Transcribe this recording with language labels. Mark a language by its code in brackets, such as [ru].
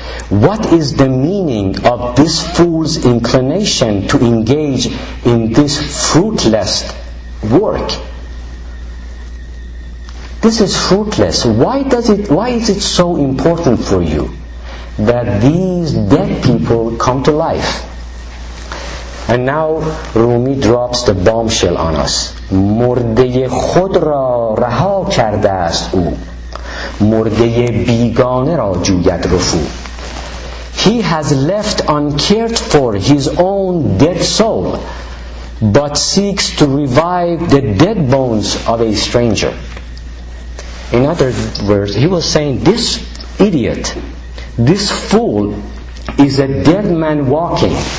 [en] What is the meaning of this fool's inclination to engage in this fruitless work? This is fruitless. Why is it so important for you that these dead people come to life? And now Rumi drops the bombshell on us. [fa] مرده خود را رها کرده است او. مرده بیگانه را جوید رفو. [en] He has left uncared for his own dead soul, but seeks to revive the dead bones of a stranger. In other words, he was saying, this idiot, this fool, is a dead man walking.